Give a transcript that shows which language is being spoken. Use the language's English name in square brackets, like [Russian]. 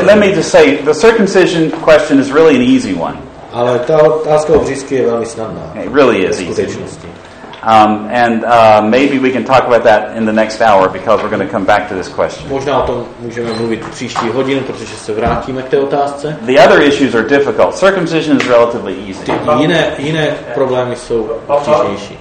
[English] Let me just say, the circumcision question is really an easy one. [Czech] Ale ta otázka obřízky je velmi snadná. [English] It really is easy. Maybe we can talk about that in the next hour because we're going to come back to this question. [Czech] Možná o tom můžeme mluvit příští hodinu, protože se vrátíme k té otázce. [English] The other issues are difficult. Circumcision is relatively easy. [Czech] Jiné problémy jsou obtížnější.